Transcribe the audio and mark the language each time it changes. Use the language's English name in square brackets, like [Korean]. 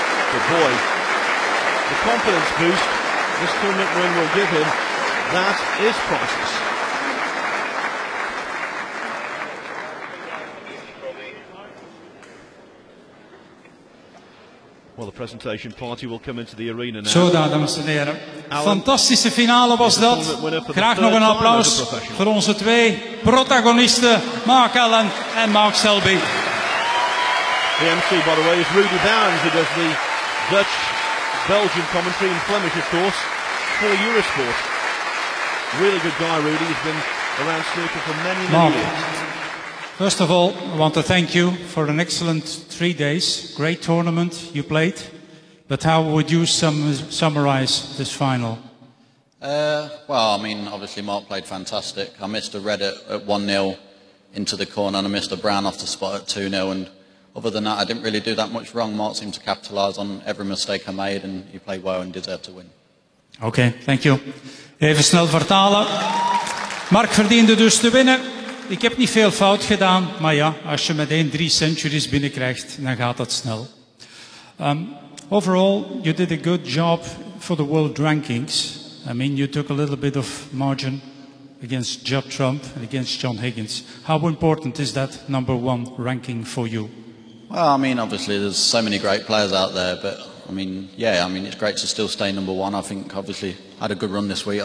[English] But boy, the confidence boost this tournament win will give him, that is priceless. Well, the presentation party will come into the arena now. [Dutch] Zo, dames en heren. Fantastische finale was dat. Graag nog een applaus voor onze twee protagonisten, Mark Allen en Mark Selby. [English] The MC, by the way, is Rudy Downs, who does the Dutch-Belgian commentary in Flemish, of course, for Eurosport. Really good guy, Rudy. He's been around snooker for many, many years. First of all, I want to thank you for an excellent 3 days. Great tournament you played. But how would you summarize this final? Obviously Mark played fantastic. I missed a red at 1-0 into the corner and I missed a brown off the spot at 2-0. And other than that, I didn't really do that much wrong. Mark seemed to capitalize on every mistake I made and he played well and deserved to win. Okay, thank you. [Dutch] Even snel vertalen. Mark verdiende dus te winnen. ik heb niet veel fout gedaan, maar ja, als je meteen 3 centuries binnenkrijgt, dan gaat dat snel. [English] Overall, you did a good job for the world rankings. I mean, you took a little bit of margin against Judd Trump and against John Higgins. How important is that number one ranking for you? Well, I mean, obviously, there's so many great players out there, but I mean, it's great to still stay number one. I think, obviously, I had a good run this week.